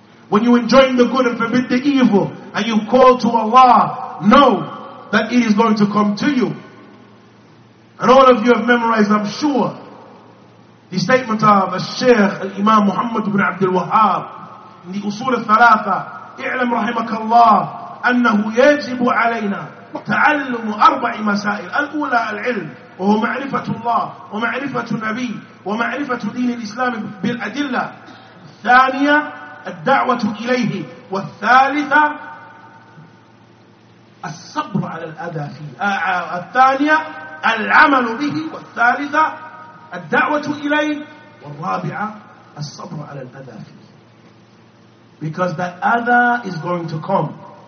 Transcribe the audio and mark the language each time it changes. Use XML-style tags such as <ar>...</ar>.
<en>When you enjoin the good and forbid the evil, and you call to Allah, know that it is going to come to you. And all of you have memorized, I'm sure, the statement of al-Shaykh al-Imam Muhammad ibn Abdul Wahhab in the Usul al-Thalatha,</en> <ar>اعلم رحمك الله أنه يجب علينا تعلم أربع مسائل. الأولى العلم وهو معرفة الله ومعرفة النبي ومعرفة دين الإسلام بالأدلة. الثانية الدعوة إليه. والثالثة الصبر على الأذى فيه. الثانية العمل به. والثالثة الدعوة إليه. والرابعة الصبر على الأذى فيه.</ar> <en>Because that other is going to come.</en>